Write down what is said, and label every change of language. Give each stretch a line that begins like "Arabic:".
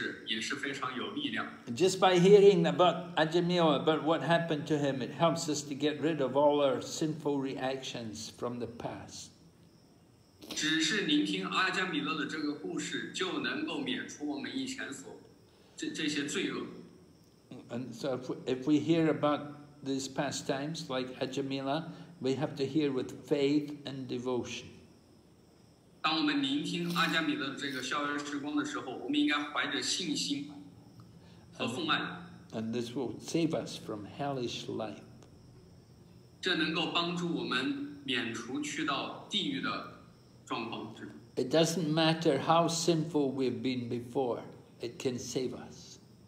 English: Just by hearing about Ajāmila, about what happened to him, it helps us to get rid of all our sinful reactions from the past.
Chinese: 只是聆听阿加米勒的这个故事, 就能够免除我们以前所, 这些罪恶。
English: And so if we hear about these pastimes, like Ajāmila, we have to hear with faith and devotion.
Chinese: 当我们聆听阿加米勒这个校园时光的时候, 我们应该怀着信心和奉爱。
English: And this will save us from hellish life.
Chinese: 这能够帮助我们免除去到地狱的
English: It doesn't matter how sinful we've been before, it can save us.